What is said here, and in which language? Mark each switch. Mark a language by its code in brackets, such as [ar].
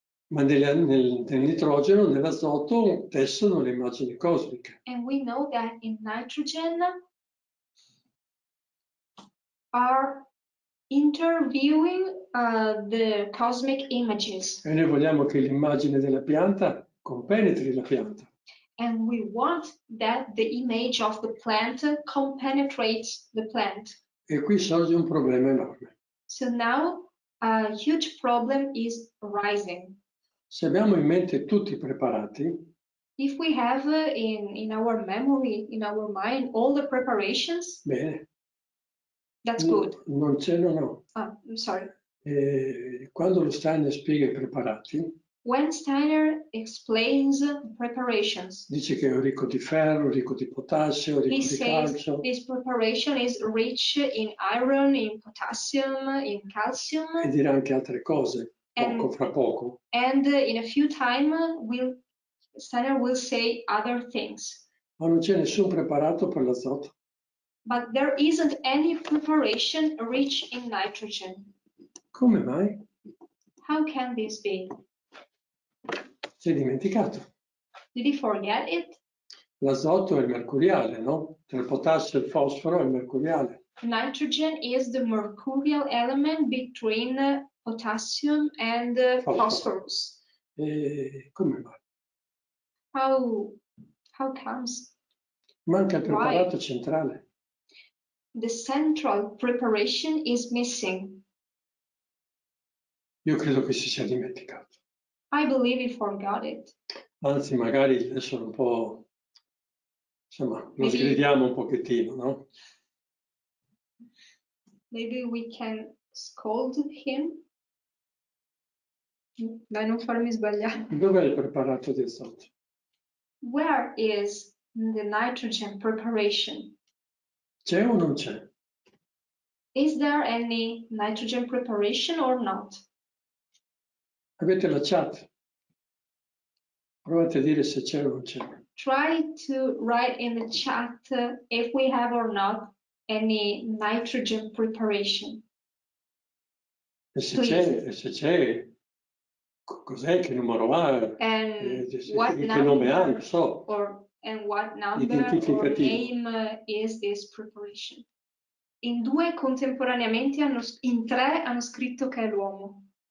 [it] Ma nel nitrogeno, nell'azoto, tessono le immagini cosmiche. [en] And we know that in nitrogen are interviewing the cosmic images. [it] E noi vogliamo che l'immagine della pianta compenetri la pianta. [en] And we want that the image of the plant compenetrates the plant. [it] E qui sorge un problema enorme. [en] So now a huge problem is arising. [it] Se abbiamo in mente tutti i preparati, [en] if we have in our memory, in our mind, all the preparations, [it] bene. [en] That's good. [it] Non c'è, no. [en] Ah, I'm sorry. [it] Quando lo Steiner spiega i preparati, [en] when Steiner explains preparations, [it] dice che è ricco di ferro, ricco di potassio, ricco di calcio. [en] He says this preparation is rich in iron, in potassium, in calcium. [it] E dirà anche altre cose, poco fra poco. [en] And in a few time, Steiner will say other things. [it] Ma non c'è nessun preparato per l'azoto. [en] But there isn't any preparation rich in nitrogen. [it] Come mai? [en] How can this be? [it] Si è dimenticato. [en] Did he forget it? [it] L'azoto è il mercuriale, no? Tra il potassio e il fosforo è il mercuriale. [en] Nitrogen is the mercurial element between potassium and phosphorus. [it] E come mai? [en] How comes? [it] Manca il preparato centrale. [en] The central preparation is missing. [it] Io credo che si sia dimenticato. [en] I believe he forgot it. [it] Anzi, magari adesso un po', insomma, lo sgridiamo un pochettino, no? Maybe we can scold him. Dai, non farmi sbagliare. Dov'è il preparato di azoto? [en] Where is the nitrogen preparation? [it] C'è o non c'è? [en] Is there any nitrogen preparation or not? [it] Avete la chat? Provate a dire se c'è o non c'è. [en] Try to write in the chat if we have or not any nitrogen preparation. [it] E se c'è, cos'è, che numero ha? [en] And [it] che nome ha, non so. [en] Or, and what number or name is this preparation? [it] In due contemporaneamente, in tre hanno scritto che è l'uomo.